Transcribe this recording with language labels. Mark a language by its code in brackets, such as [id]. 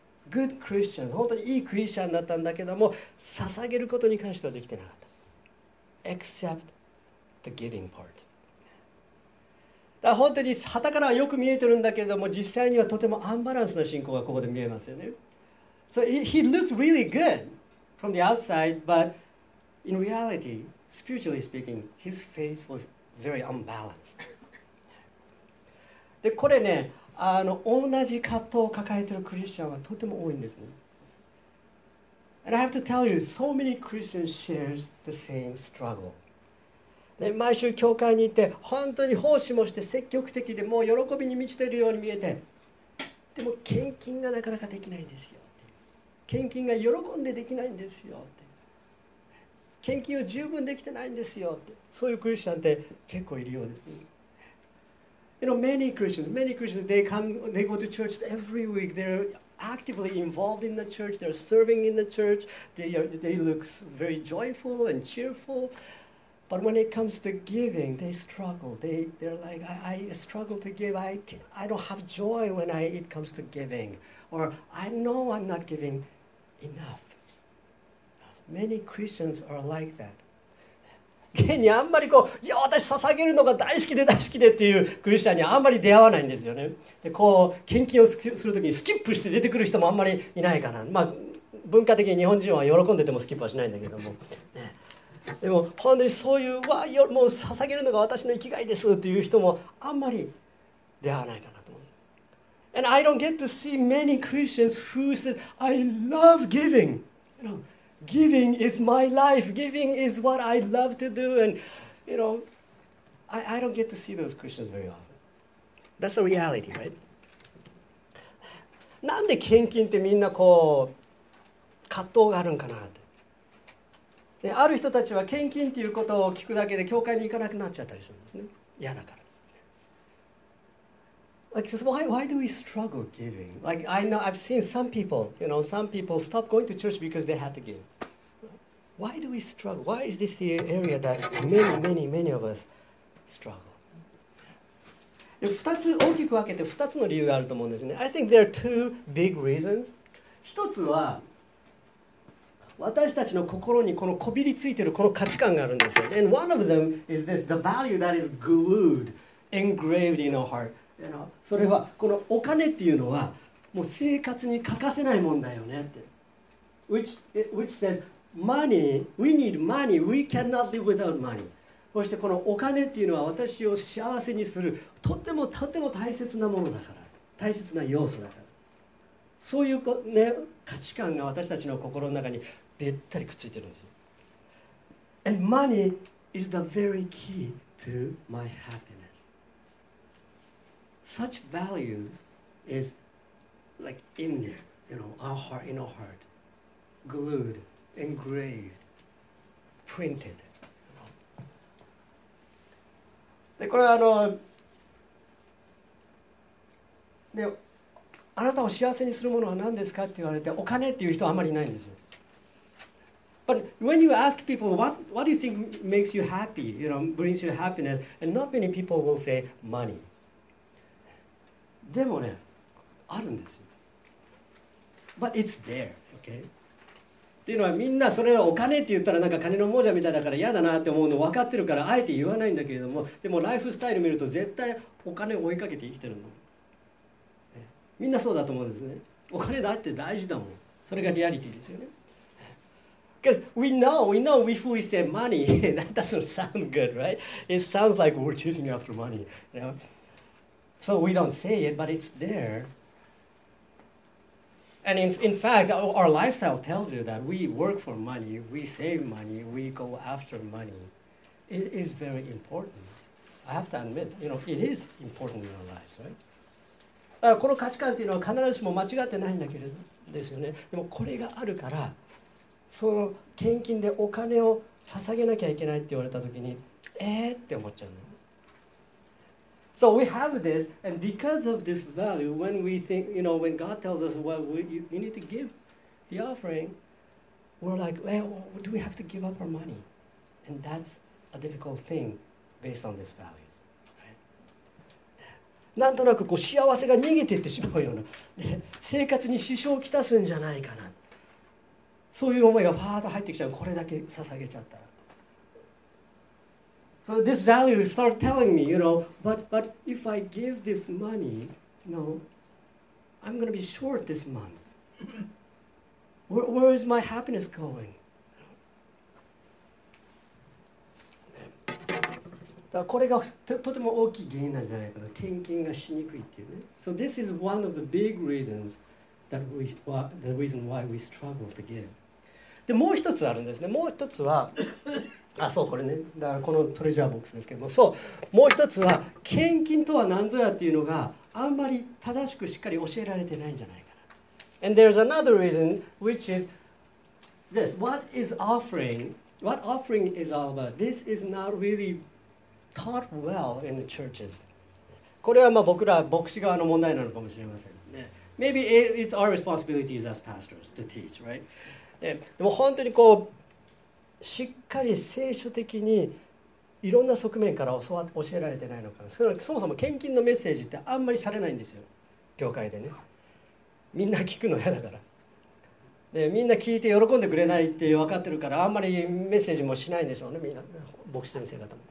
[en] Good Christians. [ja] 本当にいいクリスチャンだったんだけども、捧げることに関してはできてなかった。 [en] Except the giving part. [ja] だ本当に旗からはよく見えてるんだけれども実際にはとてもアンバランスな信仰がここで見えますよね。 [en] So he looks really good from the outside, but in reality, spiritually speaking, his faith was very unbalanced. [ja] でこれね、同じ葛藤を抱えてるクリスチャンはとても多いんですね。 [en] And I have to tell you, so many Christians share the same struggle. [ja] ね、毎週教会に行って本当に奉仕もして積極的でもう喜びに満ちているように見えてでも献金がなかなかできないんですよって献金が喜んでできないんですよって献金を十分できてないんですよってそういうクリスチャンって結構いるようです、ね、 [en] You know, many Christians, they go to church every week. They're actively involved in the church. They're serving in the church. They look very joyful and cheerful. But when it comes to giving, they struggle. They're like, I struggle to give. I don't have joy when it comes to giving. Or I know I'm not giving enough. Many Christians are like that. [ja] 現にあんまりこういや私捧げるのが大好きで大好きでっていうクリスチャンにあんまり出会わないんですよね。でこう献金をするときにスキップして出てくる人もあんまりいないかな。まあ文化的に日本人は喜んでてもスキップはしないんだけども。でも本当にそういうわよもう捧げるのが私の生きがいですっていう人もあんまり出会わないかなと思う。 [en] And I don't get to see many Christians who say, I love giving. You know, giving is my life. Giving is what I love to do. And you know, I don't get to see those Christians very often. That's the reality, right? [ja] なんで献金ってみんなこう葛藤があるんかなって。ある人たちは献金ということを聞くだけで教会に行かなくなっちゃったりするんですね。嫌だから。 [en] Like, so why do we struggle giving? Like, I know I've seen some people, you know, some people stop going to church because they had to give. Why do we struggle? Why is this the area that many, many, many of us struggle? [ja] 2つ、大きく分けて2つの理由があると思うんですね。 [en] I think there are two big reasons. [ja] 1つは、私たちの心にこのこびりついているこの価値観があるんですよ。 [en] And one of them is this, the value that is glued, engraved in our heart. You know, [ja] それはこのお金っていうのはもう生活に欠かせないもんだよねって。 [en] Which says, money, we need money, we cannot live without money. [ja] そしてこのお金っていうのは私を幸せにするとてもとても大切なものだから。大切な要素だから。そういうこね、価値観が私たちの心の中にべったりくっついてるんですよ。 [en] And money is the very key to my happiness. Such value is like in there, you know, our heart, in our heart, glued, engraved, printed. [ja] でこれはあのであなたを幸せにするものは何ですかって言われてお金っていう人はあまりいないんですよ。 [en] But when you ask people, what do you think makes you happy, you know, brings you happiness, and not many people will say money. [ja] でもね、あるんですよ。 [en] But it's there, okay? [ja] っていうのはみんなそれをお金って言ったらなんか金の亡者みたいだから嫌だなって思うの分かってるからあえて言わないんだけれども、でもライフスタイル見ると絶対お金を追いかけて生きてるの。みんなそうだと思うんですね。お金だって大事だもん。それがリアリティですよね。 [en] Because we know if we say money, that doesn't sound good, right? It sounds like we're chasing after money, you know? So we don't say it, but it's there. And in fact, our lifestyle tells you that we work for money, we save money, we go after money. It is very important. I have to admit, you know, it is important in our lives, right? [ja] この価値観というのは必ずしも間違ってないんだけれどですよね。でもこれがあるから、その献金でお金を捧げなきゃいけないって言われたときに、って思っちゃうの。 [en] So we have this, and because of this value, when we think, you know, when God tells us what we need to give the offering, we're like, well, do we have to give up our money? And that's a difficult thing based on this value. [ja] なんとなくこう幸せが逃げていってしまうような、ね、生活に支障をきたすんじゃないかな、そういう思いがファーッと入ってきちゃう。これだけ捧げちゃったら、 [en] So this value start telling me, you know, but if I give this money, you know, I'm gonna be short this month. Where is my happiness going? [ja] これが とても大きい原因なんじゃないかな。献金がしにくいっていうね。 [en] So this is one of the big reasons that we, the reason why we struggle to give. [ja] で、もう一つあるんですね。もう一つは、あ、そう、これね。だからこのトレジャーボックスですけども、そう、もう一つは、献金とは何ぞやっていうのがあんまり正しくしっかり教えられてないんじゃないかな。 [en] And there's another reason, which is this. What is offering? What offering is all about? This is not reallyTaught well in the churches. [ja] これはまあ僕ら牧師側の問題なのかもしれません。 [en] Maybe it's our responsibilities as pastors to teach, right? [ja] でも本当にこうしっかり聖書的にいろんな側面から教えられてないのかな。それはそもそも献金のメッセージってあんまりされないんですよ、教会でね。みんな聞くの嫌だから。でみんな聞いて喜んでくれないって分かってるから、あんまりメッセージもしないんでしょうね、みんな牧師先生方も。